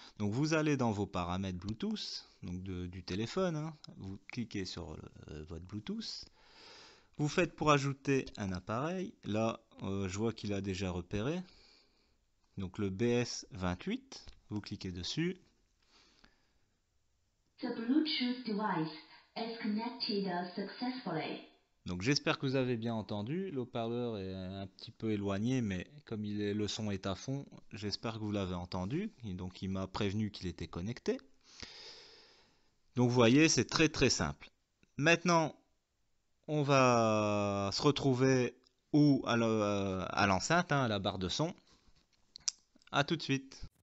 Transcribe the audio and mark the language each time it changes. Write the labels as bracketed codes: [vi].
[fr] Donc vous allez dans vos paramètres Bluetooth, donc du téléphone, hein. Vous cliquez sur votre Bluetooth. Vous faites pour ajouter un appareil. Là, je vois qu'il a déjà repéré. Donc le BS28, vous cliquez dessus. [en] The Bluetooth device is connected successfully. [fr] Donc j'espère que vous avez bien entendu, l'haut-parleur est un petit peu éloigné, mais comme le son est à fond, j'espère que vous l'avez entendu, et donc il m'a prévenu qu'il était connecté. Donc vous voyez, c'est très très simple. Maintenant, on va se retrouver à l'enceinte, hein, à la barre de son. A tout de suite.